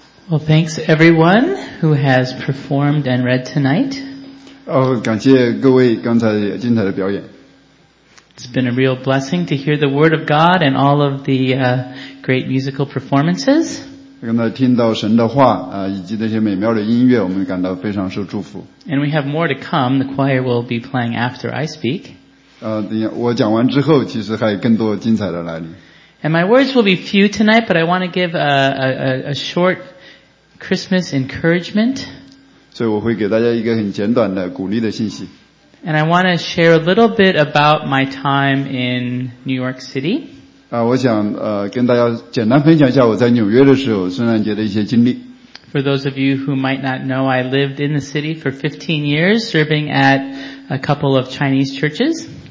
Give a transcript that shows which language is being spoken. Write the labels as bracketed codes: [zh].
[en] Well, thanks everyone who has performed and read tonight. [zh] Oh, 感谢各位刚才精彩的表演. [en] It's been a real blessing to hear the Word of God and all of the great musical performances. [zh] 刚才听到神的话，以及那些美妙的音乐，我们感到非常受祝福. [en] And we have more to come. The choir will be playing after I speak. [zh] 我讲完之后，其实还有更多精彩的来临. [en] And my words will be few tonight, but I want to give a short Christmas encouragement. [zh] 所以我会给大家一个很简短的鼓励的信息。 [en] And I want to share a little bit about my time in New York City. [zh] 我想跟大家简单分享一下我在纽约的时候圣诞节的一些经历。 [en] For those of you who might not know, I lived in the city for 15 years, serving at a couple of Chinese churches.